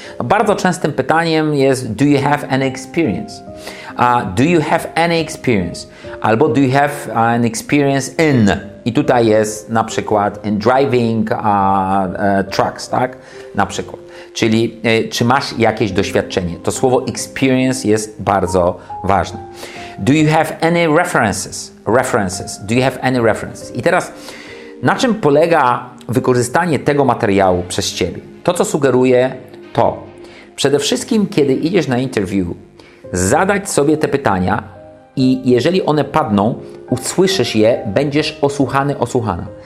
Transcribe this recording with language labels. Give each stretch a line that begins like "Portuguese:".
Polish: Bardzo częstym pytaniem jest
English: do you have any experience? Do you have any experience?
Polish: Albo
English: do you have an experience in?
Polish: I tutaj jest na przykład
English: in driving trucks,
Polish: tak? Na przykład. Czyli czy masz jakieś doświadczenie? To słowo experience jest bardzo ważne.
English: Do you have any references? References. Do you have any references?
Polish: I teraz, na czym polega wykorzystanie tego materiału przez Ciebie? To, co sugeruję, to przede wszystkim, kiedy idziesz na interview, zadać sobie te pytania i jeżeli one padną, usłyszysz je, będziesz osłuchany, osłuchana.